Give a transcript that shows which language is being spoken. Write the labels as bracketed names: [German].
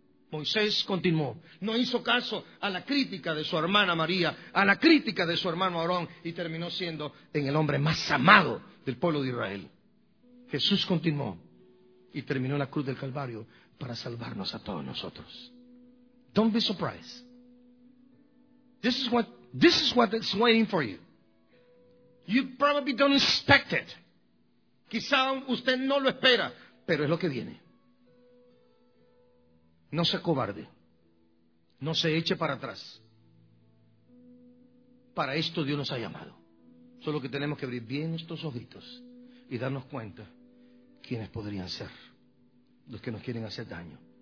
[Spanish] Moisés continuó, no hizo caso a la crítica de su hermana María, a la crítica de su hermano Aarón, y terminó siendo en el hombre más amado del pueblo de Israel. Jesús continuó y terminó en la cruz del Calvario para salvarnos a todos nosotros. [English] Don't be surprised. This is what's waiting for you. You probably don't expect it. [Spanish] Quizá usted no lo espera, pero es lo que viene. No se cobarde. No se eche para atrás. Para esto Dios nos ha llamado. Solo que tenemos que abrir bien nuestros ojitos y darnos cuenta quiénes podrían ser los que nos quieren hacer daño.